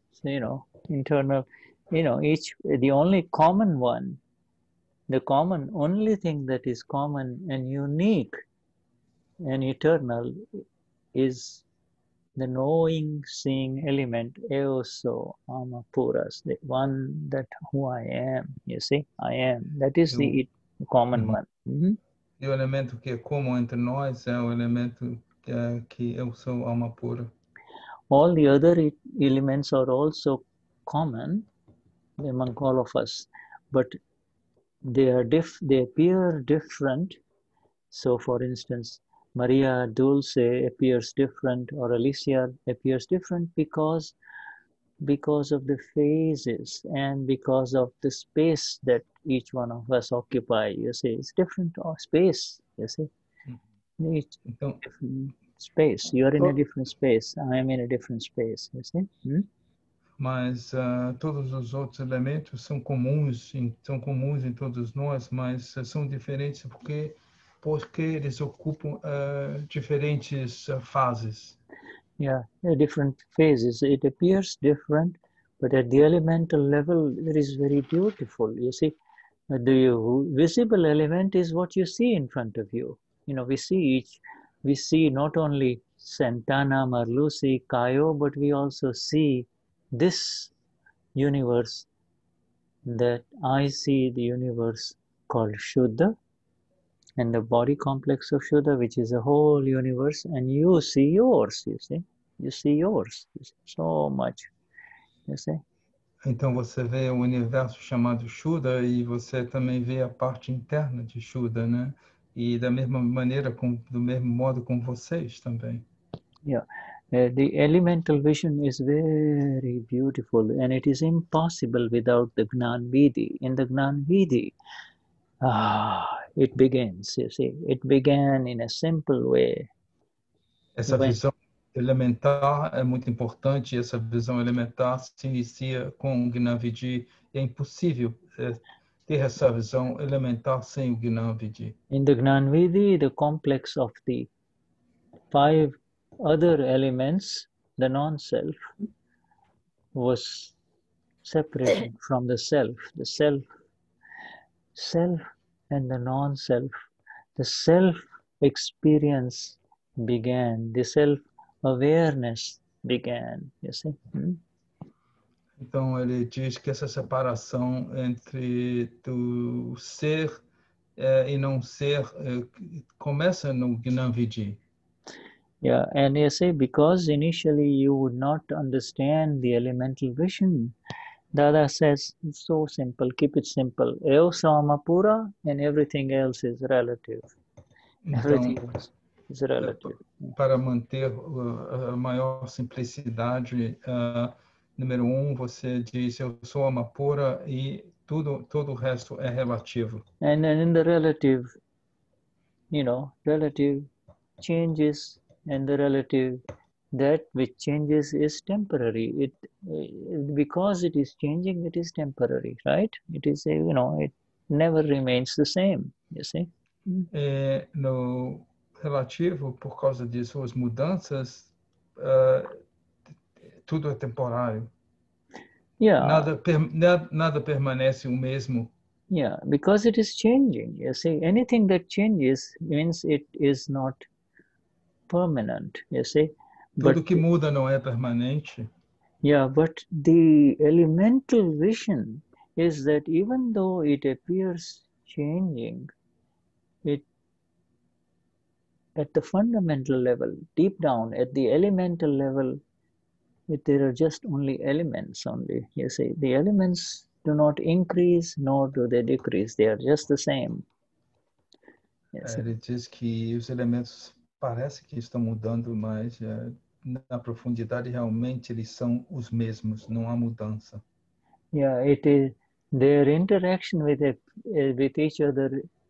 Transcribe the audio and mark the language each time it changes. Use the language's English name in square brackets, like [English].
[English] So, you know, internal, you know, each, the only common one, the common, only thing that is common and unique and eternal is the knowing, seeing element, eoso, amapuras, the one that who I am, you see, I am. That is the common one. Mm-hmm. [Portuguese] O elemento que é comum entre nós é o elemento que eu sou alma pura. [English] All the other elements are also common among all of us, but they appear different. So, for instance, Maria Dulce appears different, or Alicia appears different because of the phases and because of the space that each one of us occupy. You see, it's different space, you see. Each different space. You are in a different space. I am in a different space, you see. [Portuguese] Mas todos os outros elementos são comuns em todos nós, mas são diferentes porque eles ocupam diferentes fases. [English] Yeah, different phases. It appears different, but at the elemental level, it is very beautiful. You see, the visible element is what you see in front of you. You know, we see not only Santana, Marluce, Caio, but we also see this universe that I see, the universe called Shuddha, and the body complex of Shuddha, which is a whole universe, and you see yours, you see? You see yours, you see? So much, you see? [Portuguese] Então você vê o universo chamado Shuddha e você também vê a parte interna de Shuddha, né? E da mesma maneira, do mesmo modo com vocês também. [English] Yeah. The elemental vision is very beautiful, and it is impossible without the Gnan Vidhi. In the Gnan Vidhi, it begins, you see. It began in a simple way. [Portuguese] Essa visão elementar é muito importante. Essa visão elementar se inicia com o Gnan Vidhi. É impossível ter essa visão elementar sem o Gnan Vidhi. [English] In the Gnan Vidhi, the complex of the five other elements, the non-self, was separated from the self. The self and the non-self. The self experience began. The self awareness began. You see? [Portuguese] Então ele diz que essa separação entre do ser e não ser começa no Gnan Vidhi. [English] Yeah, and you say, because initially you would not understand the elemental vision, Dada says, it's so simple, keep it simple. [Portuguese] Eu sou alma pura, [English] and everything else is relative. Everything is relative. [Portuguese] Para manter a maior simplicidade, número você diz, eu sou alma pura, e todo o resto é relativo. [English] And then in the relative, you know, relative changes. And the relative, that which changes is temporary. It because it is changing, it is temporary, right? It is, you know, it never remains the same, you see? [Portuguese] É, no relativo, por causa de suas mudanças, tudo é temporário. [English] Yeah. [Portuguese] Nada permanece o mesmo. [English] Yeah, because it is changing. You see, anything that changes means it is not permanent. You see. [Portuguese] But, tudo que muda não é permanente. [English] Yeah, but the elemental vision is that even though it appears changing, it at the fundamental level, deep down, at the elemental level, it, there are just only elements only. You see, the elements do not increase, nor do they decrease. They are just the same. Yes. [Portuguese] Ele diz que os elementos parece que estão mudando, mas na profundidade realmente eles são os mesmos. Não há mudança. [English] Yeah, it is their interaction with each other.